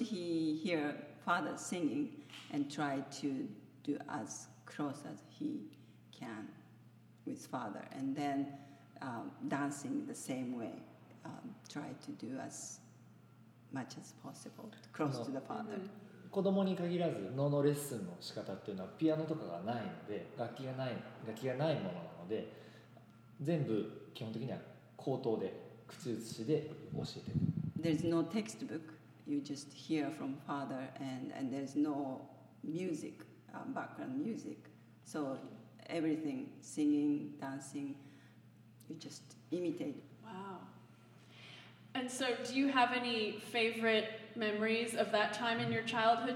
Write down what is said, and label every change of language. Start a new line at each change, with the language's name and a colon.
English: he hear father singing and try to do as close as he can with father and then dancing the same way, try to do as much as possible close to the father.
Japanese: 子供に限らず、ののレッスンの仕方っていうのはピアノとかがないので、楽器がないものなので、全部基本的には口頭で口移しで教えてる。
English: There's no textbook. You just hear from father, and there's no music, background music. So everything, singing, dancing. You just imitate. Wow. And so do you have any favorite memories of that time in your childhood?